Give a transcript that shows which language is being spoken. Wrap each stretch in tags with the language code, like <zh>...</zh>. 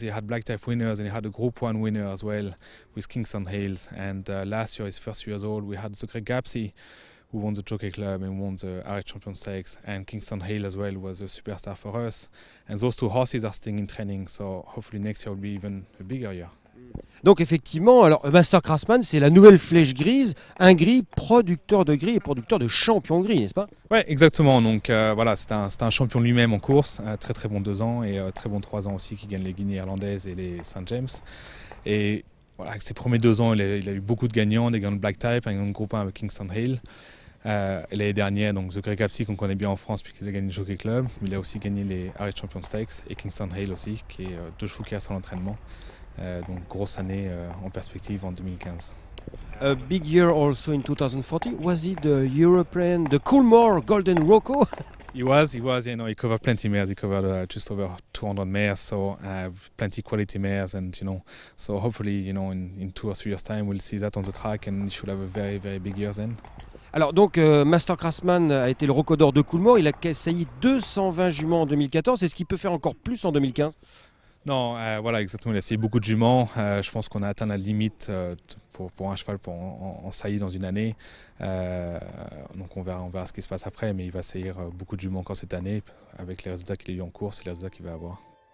<en>He had black type winners, and he had a Group 1 winner as well with Kingston Hales. And last year, his first 3 years old, we had the Greg Gapsy, who won the Jockey Club and won the Irish Champion Stakes. And Kingston Hale as well was a superstar for us. And those two horses are staying in training, so hopefully next year will be even a bigger year.</en> <fr>Donc effectivement, alors Master Craftsman, c'est la nouvelle flèche grise, un gris producteur de gris et producteur de champion gris, n'est-ce pas? Oui, exactement. Donc voilà, c'est un champion lui-même en course, un très très bon 2 ans et très bon 3 ans aussi qui gagne les Guinées irlandaises et les St. James. Et voilà, avec ses premiers 2 ans, il a eu beaucoup de gagnants, des gagnants de Black Type, un groupe 1 avec Kingston Hale. L'année dernière, donc The Greg Gapsy qu'on connaît bien en France puisqu'il a gagné le Jockey Club, mais il a aussi gagné les Irish Champion Stakes et Kingston Hale aussi, qui est deux chevaux qui a son entraînement. Donc grosse année en perspective en 2015.</fr> <en>A big year also in 2014. Was it the European, the Coolmore Golden Rocco? He was, you know, he covered plenty mares. He covered just over 200 mares, so plenty quality mares, and you know, so hopefully, you know, in 2 or 3 years time, we'll see that on the track, and he should have a very, very big year then.</en> <fr>Alors donc, Master Craftsman a été le Rocco d'or de Coolmore. Il a saillé 220 juments en 2014. Est-ce qu'il peut faire encore plus en 2015? Non, voilà, exactement, il a essayé beaucoup de juments. Je pense qu'on a atteint la limite pour un cheval en saillie dans une année. Donc on verra ce qui se passe après, mais il va saillir beaucoup de juments encore cette année avec les résultats qu'il a eu en course et les résultats qu'il va avoir.</fr>